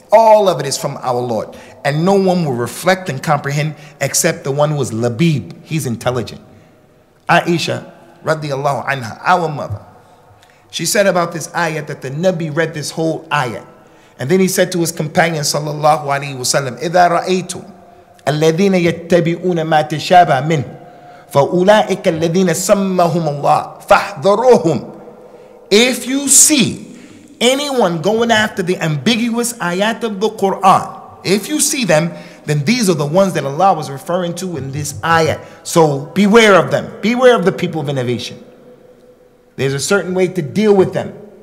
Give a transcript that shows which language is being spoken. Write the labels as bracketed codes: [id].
[en] All of it is from our Lord. And no one will reflect and comprehend except the one who is labib. He's intelligent. Aisha, radiallahu anha, our mother, she said about this ayat that the Nabi read this whole ayat. And then he said to his companion, sallallahu alayhi wa sallam, [ar] إِذَا رَأَيْتُمْ أَلَّذِينَ يَتَّبِعُونَ مَا تَشَابَى مِنْهُ فَأُولَٰئِكَ الَّذِينَ سَمَّهُمَ اللَّهُ فَاحْذَرُوهُمْ. [en] If you see anyone going after the ambiguous ayat of the Quran, if you see them, then these are the ones that Allah was referring to in this ayat. So beware of them. Beware of the people of innovation. There's a certain way to deal with them.